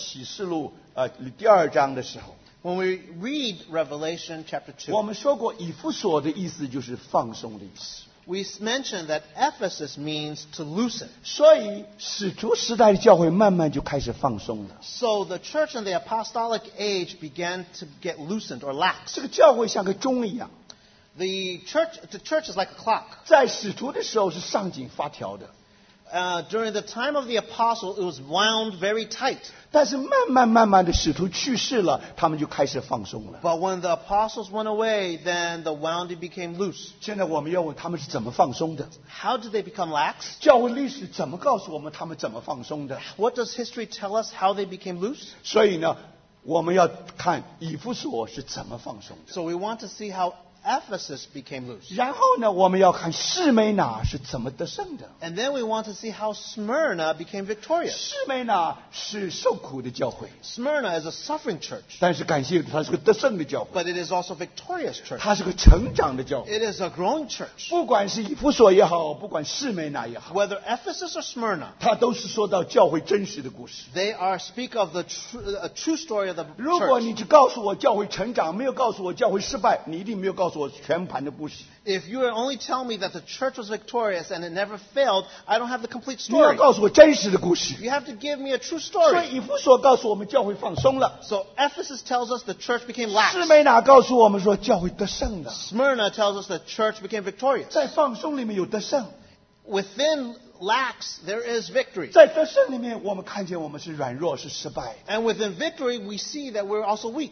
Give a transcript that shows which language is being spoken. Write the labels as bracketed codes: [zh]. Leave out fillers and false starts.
[zh] 那么当我们读到这个启示录第二章的时候, [en] when we read Revelation chapter 2, [zh] 我们说过以弗所的意思就是放松的意思, [en] we mentioned that Ephesus means to loosen. [zh] 所以使徒时代的教会慢慢就开始放松了, [en] so the church in the apostolic age began to get loosened or lax. [zh] 这个教会像个钟一样, [en] the church is like a clock. [zh] 在使徒的时候是上紧发条的, [en] During the time of the apostle, it was wound very tight. [zh] 但是慢慢慢慢的使徒去世了，他们就开始放松了。 [en] But when the apostles went away, then the wounding became loose. [zh] 现在我们要问他们是怎么放松的？ [en] How did they become lax? [zh] 教会历史怎么告诉我们他们怎么放松的？ [en] What does history tell us how they became loose? [zh] 所以呢，我们要看以弗所是怎么放松的。 [en] So we want to see how Ephesus became loose. [zh] 然后呢，我们要看士美拿是怎么得胜的。 [en] And then we want to see how Smyrna became victorious. [zh] 士美拿是受苦的教会。 [en] Smyrna is a suffering church. [zh] 但是感谢它是个得胜的教会。 [en] But it is also victorious church. [zh] 它是个成长的教会。 [en] It is a growing church. [zh] 不管是以弗所也好，不管士美拿也好。 [en] Whether Ephesus or Smyrna, [zh] 它都是说到教会真实的故事。 [en] They are speak of the true story of the church. [zh] 如果你只告诉我教会成长，没有告诉我教会失败，你一定没有。 [en] If you are only telling me that the church was victorious and it never failed, I don't have the complete story. [zh] 你要告诉我真实的故事。 [en] You have to give me a true story. [zh] 所以以弗所告诉我们教会放松了。 [en] So Ephesus tells us the church became lax. [zh] 士美拿告诉我们说教会得胜了。 [en] Smyrna tells us the church became victorious. [zh] 在放松里面有得胜。 [en] Within lax, there is victory. [zh] 在得胜里面，我们看见我们是软弱，是失败的。 [en] And within victory, we see that we're also weak.